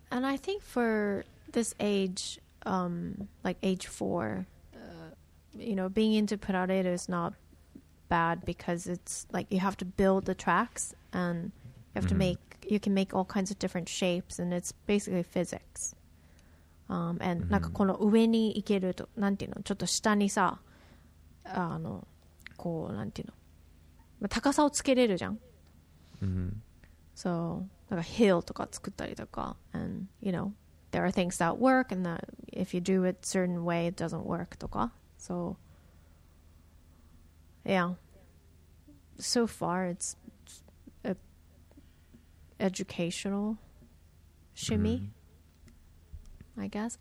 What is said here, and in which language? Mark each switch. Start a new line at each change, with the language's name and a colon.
English: And I think for this age, like age 4, you know, being into Prareru is not bad because it's like you have to build the tracks and you have to make, you can make all kinds of different shapes and it's basically physics.
Japanese: And なんかこの上に行けるとなんていうのちょっと下にさあのこうなんていうの、まあ、高さをつけれるじゃん。
English: So なんか hill とか作ったりとか and you know there are things that work and that if you do it a certain way it doesn't work とか so yeah so far it's a educational shimmy. I guess.